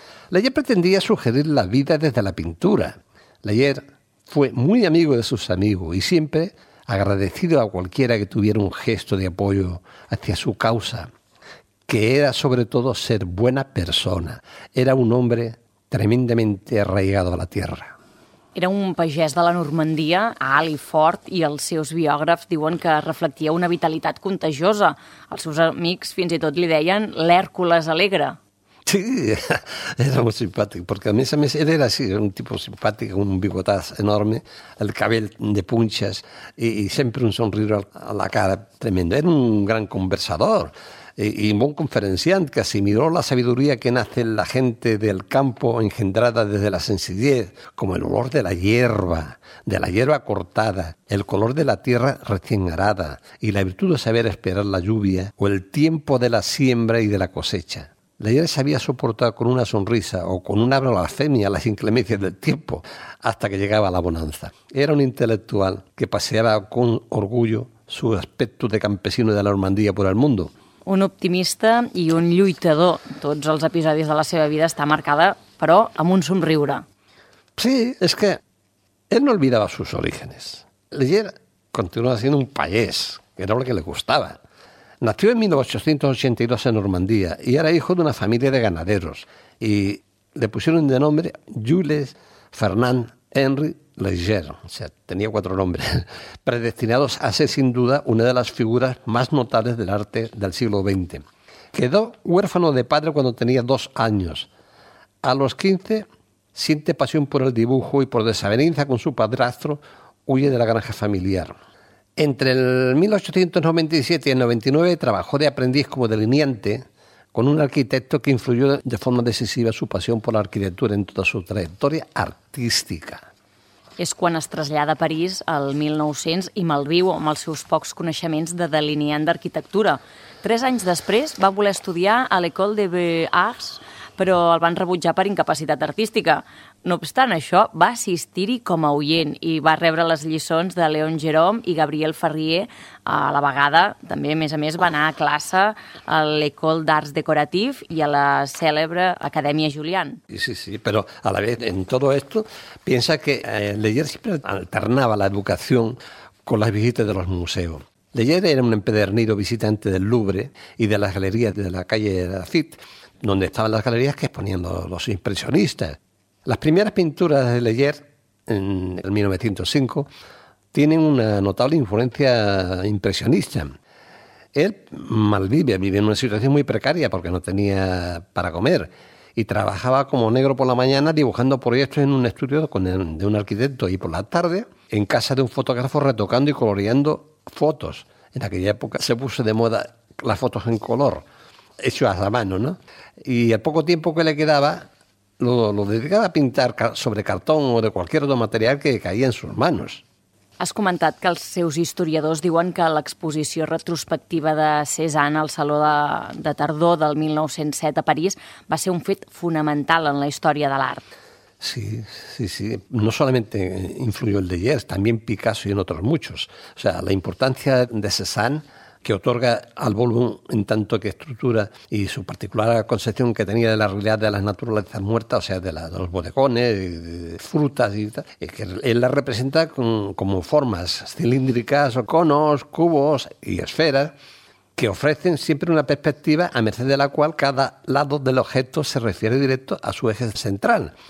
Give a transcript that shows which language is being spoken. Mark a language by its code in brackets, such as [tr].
[es] Lejer pretendía sugerir la vida desde la pintura. Lejer fue muy amigo de sus amigos y siempre agradecido a cualquiera que tuviera un gesto de apoyo hacia su causa, que era sobre todo ser buena persona. Era un hombre tremendamente arraigado a la tierra. [ca] Era un pagès de la Normandia, alt i fort, i els seus biògrafs diuen que reflectia una vitalitat contagiosa. Els seus amics fins i tot li deien l'Hèrcules alegre. [es] Sí, era muy simpático, porque a mí él era así, un tipo simpático, un bigotaz enorme, el cabello de punchas y siempre un sonrío a la cara tremendo. Era un gran conversador y un buen conferenciante que asimiló la sabiduría que nace en la gente del campo engendrada desde la sencillez, como el olor de la hierba cortada, el color de la tierra recién arada y la virtud de saber esperar la lluvia o el tiempo de la siembra y de la cosecha. Lejer sabía soportar con una sonrisa o con una blasfemia las inclemencias del tiempo hasta que llegaba la bonanza. Era un intelectual que paseaba con orgullo su aspecto de campesino de la Normandía por el mundo. [ca] Un optimista i un lluitador. Tots els episodis de la seva vida està marcada, però amb un somriure. Sí, és que ell [es] no olvidava sus orígenes. [ca] Leger continuava sent un pagès, que era el que li gustava. [es] Nació en 1882 en Normandía y era hijo de una familia de ganaderos y le pusieron de nombre Jules Fernand Henri Leger, o sea, tenía cuatro nombres, predestinados a ser sin duda una de las figuras más notables del arte del siglo XX. Quedó huérfano de padre cuando tenía 2 años. A los 15 siente pasión por el dibujo y por desavenencia con su padrastro huye de la granja familiar. Entre el 1897 y el 99 trabajó de aprendiz como delineante con un arquitecto que influyó de forma decisiva su pasión por la arquitectura en toda su trayectoria artística. [ca] És quan es trasllada a París el 1900 i malviu amb els seus pocs coneixements de delineant d'arquitectura. 3 anys després va voler estudiar a l'École des Beaux-Arts, però el van rebutjar per incapacitat artística. No obstant això, va assistir-hi com a oient i va rebre les lliçons de Léon Gérôme i Gabriel Ferrier a la vegada. També, a més, va anar a classe a l'École d'Arts Decoratif i a la cèlebre Acadèmia Julián. [es] Sí, sí, però a la vez, en todo esto, piensa que Leger siempre alternaba la educación con las visitas de los museos. Leger era un empedernido visitante del Louvre y de las galerías de la calle Lafitte, donde estaban las galerías que exponían los impresionistas. Las primeras pinturas de Leger, en el 1905, tienen una notable influencia impresionista. Él vivía en una situación muy precaria porque no tenía para comer y trabajaba como negro por la mañana dibujando proyectos en un estudio de un arquitecto y por la tarde en casa de un fotógrafo retocando y coloreando fotos. En aquella época se puso de moda las fotos en color, hecho a la mano, ¿no? Y el poco tiempo que le quedaba lo dedicaba a pintar sobre cartón o de cualquier otro material que caía en sus manos. [ca] Has comentat que els seus historiadors diuen que l'exposició retrospectiva de Cézanne al Saló de Tardor del 1907 a París va ser un fet fonamental en la història de l'art. [es] Sí, sí, sí. No solamente influyó el de Leger, también Picasso y en otros muchos. O sea, la importancia de Cézanne que otorga al volumen en tanto que estructura y su particular concepción que tenía de la realidad de las naturalezas muertas, o sea, de los bodegones, de frutas y tal, es que él la representa como formas cilíndricas o conos, cubos y esferas que ofrecen siempre una perspectiva a merced de la cual cada lado del objeto se refiere directo a su eje central.